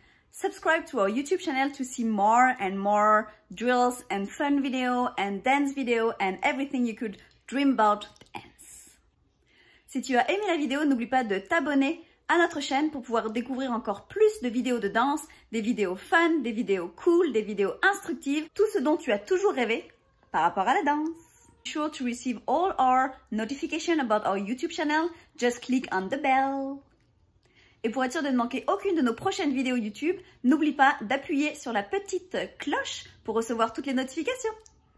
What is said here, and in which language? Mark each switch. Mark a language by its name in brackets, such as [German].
[English] subscribe to our YouTube channel to see more and more drills and fun video and dance video and everything you could dream about dance. [French] Si tu as aimé la vidéo, n'oublie pas de t'abonner à notre chaîne pour pouvoir découvrir encore plus de vidéos de danse, des vidéos fun, des vidéos cool, des vidéos instructives, tout ce dont tu as toujours rêvé par rapport à la danse. [English] Be sure to receive all our notifications about our YouTube channel, just click on the bell. [French] Et pour être sûr de ne manquer aucune de nos prochaines vidéos YouTube, n'oublie pas d'appuyer sur la petite cloche pour recevoir toutes les notifications.